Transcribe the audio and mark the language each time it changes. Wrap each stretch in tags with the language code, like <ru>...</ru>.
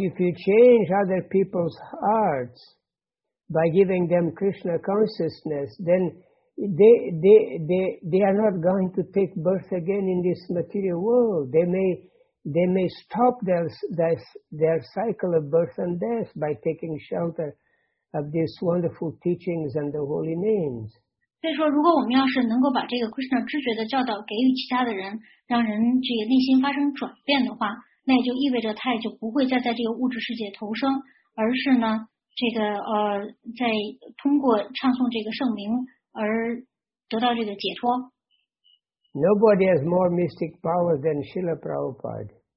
<en>if you change other people's hearts by giving them Krishna consciousness, then they are not going to take birth again in this material world. They may stop their cycle of birth and death by taking shelter of these wonderful teachings and the holy names.</en> <zh>所以说，如果我们要是能够把这个 Krishna 知觉的教导给予其他的人，让人这个内心发生转变的话，那也就意味着他也就不会再在这个物质世界投生，而是呢，这个在通过唱诵这个圣名而得到这个解脱。</zh> <en>Nobody has more mystic power than Srila Prabhupada.</en>